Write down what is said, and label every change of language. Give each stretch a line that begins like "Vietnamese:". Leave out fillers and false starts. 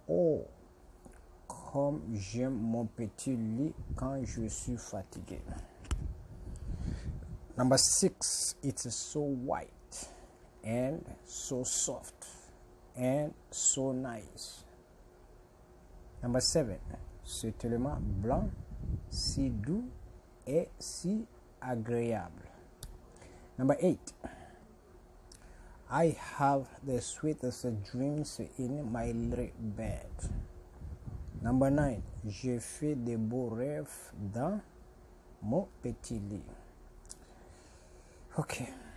French: Oh, comme j'aime mon petit lit quand je suis fatigué.
English: Number 6. It's so white and so soft and so nice. Number 7.
French: C'est tellement blanc, si doux et si agréable.
English: Number 8. I have the sweetest dreams in my little bed. Number 9.
French: Je fais de beaux rêves dans mon petit lit. Okay.